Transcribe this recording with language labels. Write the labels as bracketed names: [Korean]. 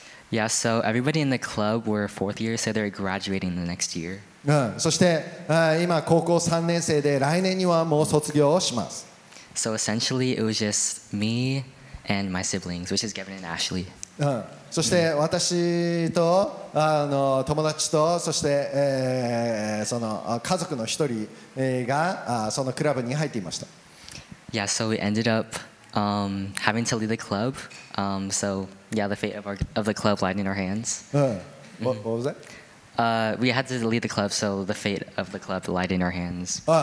[English] Yeah, so everybody in the club were fourth year, so they're graduating the next year. [Japanese] そして今高校3年生で来年にはもう卒業をします。 [English] So essentially, it was just me and my siblings, which is Gavin and Ashley. [Japanese] そして私と友達とそして、その家族の一人がそのクラブに入っていました。 [English] Yeah, so we ended up having to lead the club. So yeah, the fate of the club lied in our hands. What was that? We had to lead the club, so the fate of the club lied in our hands.